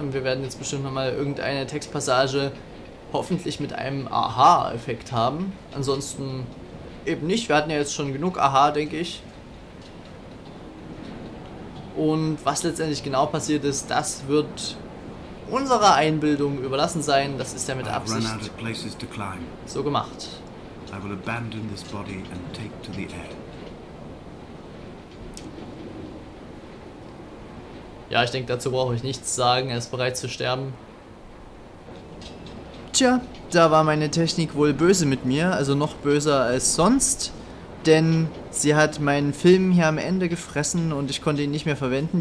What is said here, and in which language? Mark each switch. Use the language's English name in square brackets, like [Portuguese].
[German] Und wir werden jetzt bestimmt nochmal irgendeine Textpassage hoffentlich mit einem Aha-Effekt haben. Ansonsten eben nicht. Wir hatten ja jetzt schon genug Aha, denke ich. Und was letztendlich genau passiert ist, das wird unserer Einbildung überlassen sein. Das ist ja mit Absicht so gemacht. [English] I will abandon this body and take to the air. [German] Ja, ich denke, dazu brauche ich nichts sagen. Er ist bereit zu sterben. Tja, da war meine Technik wohl böse mit mir. Also noch böser als sonst. Denn sie hat meinen Film hier am Ende gefressen und ich konnte ihn nicht mehr verwenden.